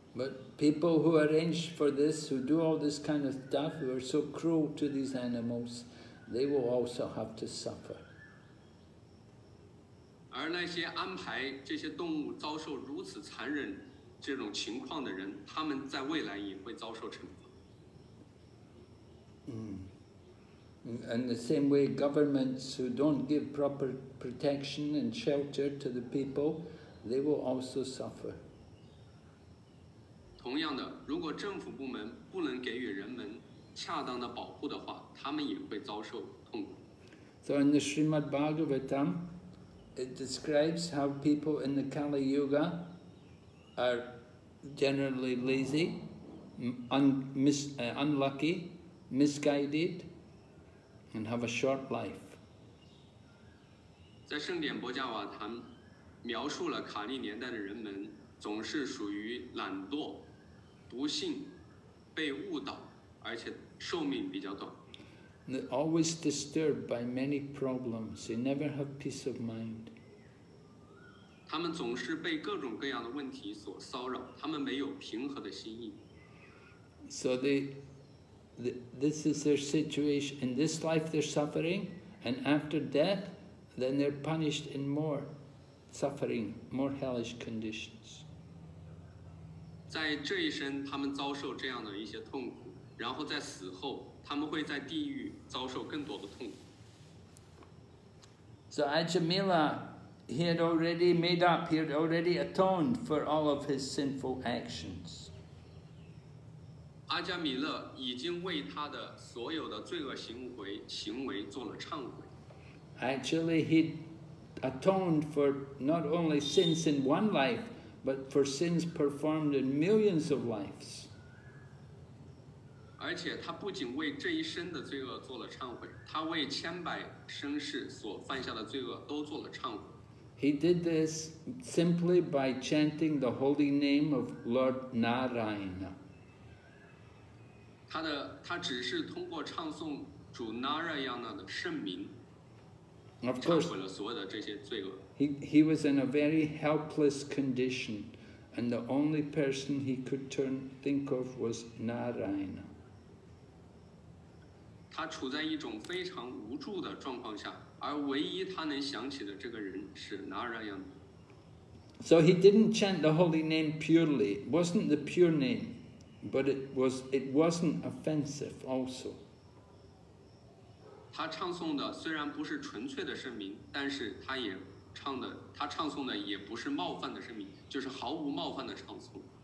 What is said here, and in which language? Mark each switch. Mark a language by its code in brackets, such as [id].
[en] But people who arrange for this, who do all this kind of stuff, who are so cruel to these animals, they will also have to suffer. [zh] 而那些安排这些动物遭受如此残忍这种情况的人，他们在未来也会遭受惩罚。 [en] And the same way, governments who don't give proper protection and shelter to the people, they will also suffer. [zh] 同样的，如果政府部门不能给予人们恰当的保护的话，他们也会遭受痛苦。 [en] So in the Srimad Bhagavatam,It describes how people in the Kali Yuga are generally lazy, unlucky, misguided, and have a short life. [zh] 在圣典博迦瓦坛描述了卡利年代的人们总是属于懒惰、不幸、被误导，而且寿命比较短。 [en] They're always disturbed by many problems. They never have peace of mind. [zh] 他们总是被各种各样的问题所骚扰，他们没有平和的心意。 [en] So this is their situation. In this life they're suffering, and after death, then they're punished in more suffering, more hellish conditions. [zh] 在这一生，他们遭受这样的一些痛苦，然后在死后，他们会在地狱遭受更多的痛苦。 [en] So Ajamila. He had already made up, he had already atoned for all of his sinful actions. [zh] Ajamila 已经为他的所有的罪恶行为做了忏悔。 [en] Actually, he atoned for not only sins in one life, but for sins performed in millions of lives. [zh] 而且他不仅为这一生的罪恶做了忏悔，他为千百生世所犯下的罪恶都做了忏悔。 [en] He did this simply by chanting the holy name of Lord Narayana. [zh] 他只是通过唱诵主 Narayana 的圣名，忏悔了所有的这些罪恶。 [en] He was in a very helpless condition, and the only person he could think of was Narayana. [zh] 他处在一种非常无助的状况下。而唯一他能想起的这个人是 Narayana。 [en] So he didn't chant the holy name purely. It wasn't the pure name, but it wasn't offensive also. [zh] 他唱诵的虽然不是纯粹的圣名，但是他也唱的，他唱诵的也不是冒犯的圣名，就是毫无冒犯的唱诵。